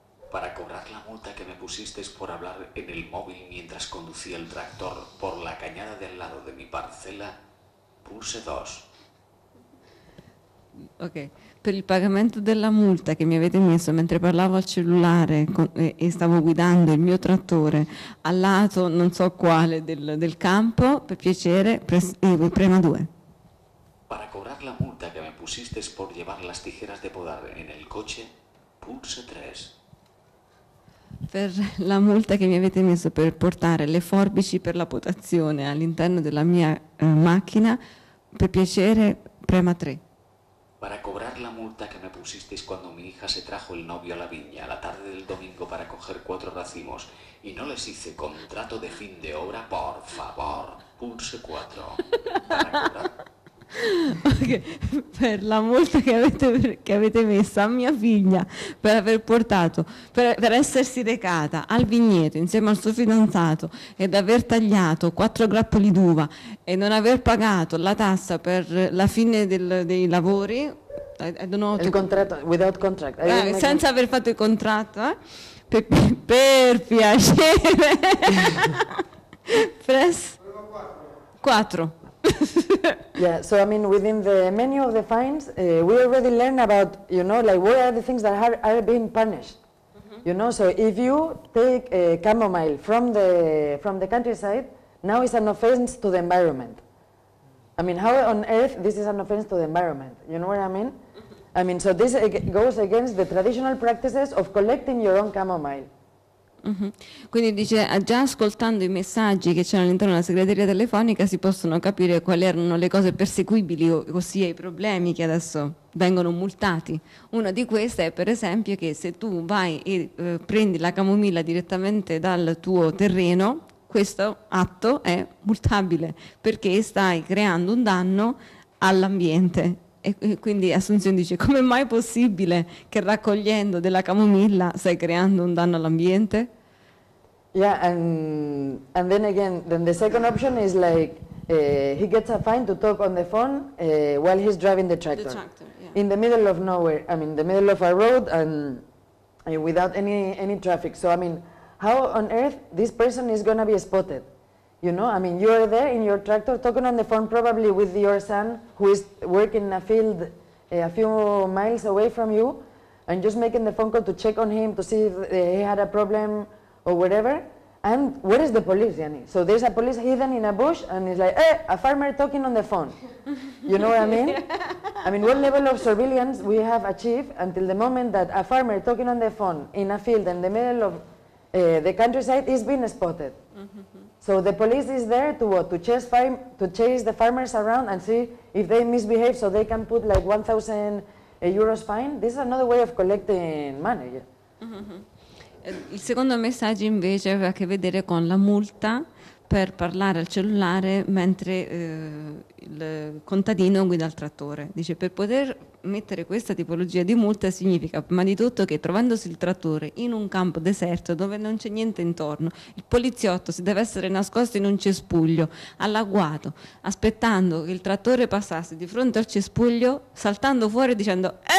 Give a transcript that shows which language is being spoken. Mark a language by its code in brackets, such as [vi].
[es] Para cobrar la multa que me pusiste por hablar en el móvil mientras conducía el tractor por la cañada del lado de mi parcela, pulse 2. Ok. [it] Per il pagamento della multa che mi avete messo mentre parlavo al cellulare e stavo guidando il mio trattore al lato non so quale del campo, per piacere, prema 2. [es] Para cobrar la multa que me pusiste por llevar las tijeras de podar en el coche, pulse 3. [it] Per la multa che mi avete messo per portare le forbici per la potazione all'interno della mia macchina, per piacere, prema 3. [es] Para cobrar la multa que me pusisteis cuando mi hija se trajo el novio a la viña la tarde del domingo para coger 4 racimos y no les hice contrato de fin de obra, por favor, pulse 4. [it] Okay. Per la multa che avete messo a mia figlia per aver portato, per essersi recata al vigneto insieme al suo fidanzato ed aver tagliato 4 grappoli d'uva e non aver pagato la tassa per la fine dei lavori, [en] I don't know, [it] il contratto, [en] without contract, [it] senza aver fatto il contratto, per piacere, [en] press 4. Yeah, so I mean, within the menu of the fines, we already learn about, you know, like what are the things that are being punished, you know. So if you take a chamomile from the countryside, now it's an offense to the environment. I mean, how on earth this is an offense to the environment? You know what I mean? I mean, so this goes against the traditional practices of collecting your own chamomile. [it] Quindi dice, già ascoltando i messaggi che c'erano all'interno della segreteria telefonica si possono capire quali erano le cose perseguibili, ossia i problemi che adesso vengono multati. Una di queste è per esempio che se tu vai e prendi la camomilla direttamente dal tuo terreno, questo atto è multabile perché stai creando un danno all'ambiente. E quindi Assunzione dice, come mai è possibile che raccogliendo della camomilla stai creando un danno all'ambiente? [en] Yeah, and then again, then the second option is like, he gets a fine to talk on the phone while he's driving the tractor. The tractor, yeah. In the middle of nowhere, I mean, the middle of a road and without any traffic. So, I mean, how on earth this person is going to be spotted? You know, I mean, you are there in your tractor talking on the phone probably with your son who is working in a field a few miles away from you and just making the phone call to check on him to see if he had a problem or whatever. And where is the police, Yanni? So there's a police hidden in a bush, and it's like, eh, a farmer talking on the phone. You know what I mean? I mean, what level of surveillance we have achieved until the moment that a farmer talking on the phone in a field in the middle of the countryside is being spotted. So the police is there to what? To chase the farmers around and see if they misbehave so they can put like 1,000 euros fine. This is another way of collecting money. Yeah. [it] Il secondo messaggio invece aveva a che vedere con la multa per parlare al cellulare mentre il contadino guida il trattore. Dice, per poter mettere questa tipologia di multa significa prima di tutto che trovandosi il trattore in un campo deserto dove non c'è niente intorno, il poliziotto si deve essere nascosto in un cespuglio, all'agguato, aspettando che il trattore passasse di fronte al cespuglio, saltando fuori dicendo